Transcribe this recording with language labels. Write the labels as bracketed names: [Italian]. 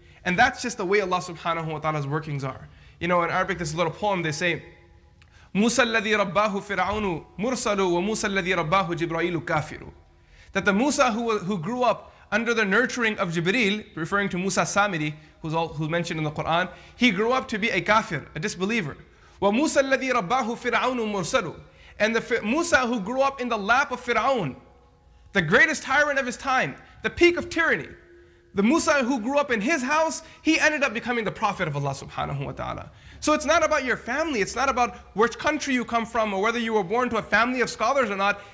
[English] And that's just the way Allah subhanahu wa ta'ala's workings are. You know, in Arabic, this little poem, they say, Musa [Arabic] الذي رباه فرعون مرسل وموسى الذي رباه جبريل كافر. [English] That the Musa who grew up under the nurturing of Jibril, referring to Musa Samiri, who's mentioned in the Quran, he grew up to be a kafir, a disbeliever. [Arabic] وموسى الذي رباه فرعون مرسل. [English] And the Musa who grew up in the lap of Fir'aun, the greatest tyrant of his time, the peak of tyranny, the Musa who grew up in his house, he ended up becoming the prophet of Allah subhanahu wa ta'ala. So it's not about your family, it's not about which country you come from or whether you were born to a family of scholars or not.